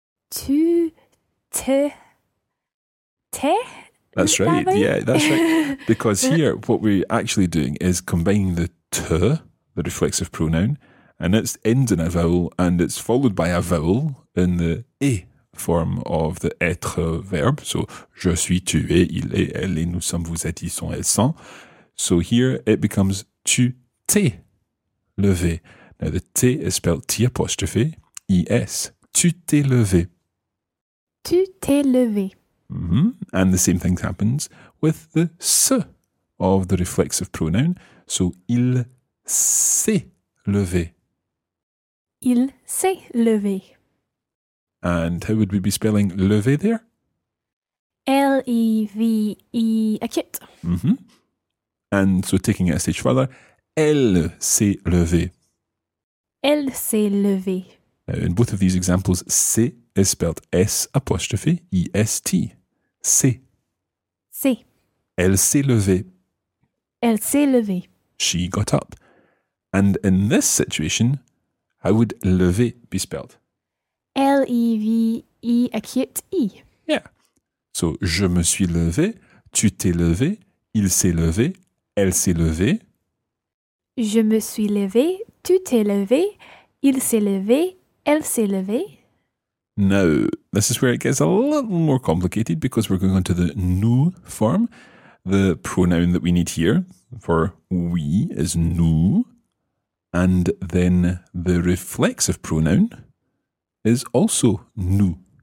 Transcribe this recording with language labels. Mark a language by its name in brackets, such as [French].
[French] Tu te t'es? [English] That's right. Yeah, that's right. Because here, what we're actually doing is combining the te, the reflexive pronoun, and it ends in a vowel, and it's followed by a vowel in the e form of the être verb. [French] So, je suis, tu es, il est, elle est, nous sommes, vous êtes, ils sont, elles sont. [English] So here, it becomes [French] tu t'es levé. [English] Now, the t is spelled t apostrophe, es. [French] Tu t'es levé. Tu t'es levé. [English] Mm-hmm. And the same thing happens with the se of the reflexive pronoun. [French] So, il s'est levé. Il s'est levé. [English] And how would we be spelling levé there? L-E-V-E acute. Mm-hmm. And so, taking it a stage further, [French] elle s'est levée. Elle s'est levée. [English] Now, in both of these examples, c'est is spelled S apostrophe E-S-T. C'est. [French] C'est. Elle s'est levée. Elle s'est levée. [English] She got up. And in this situation, how would levée be spelled? L-E-V-E acute E. Yeah. [French] So, je me suis levée, tu t'es levée, il s'est levé, elle s'est levée. Je me suis levée, tu t'es levée, il s'est levé, elle s'est levée. [English] Now, this is where it gets a little more complicated because we're going on to the nous form. The pronoun that we need here for we is nous. And then the reflexive pronoun is also nous.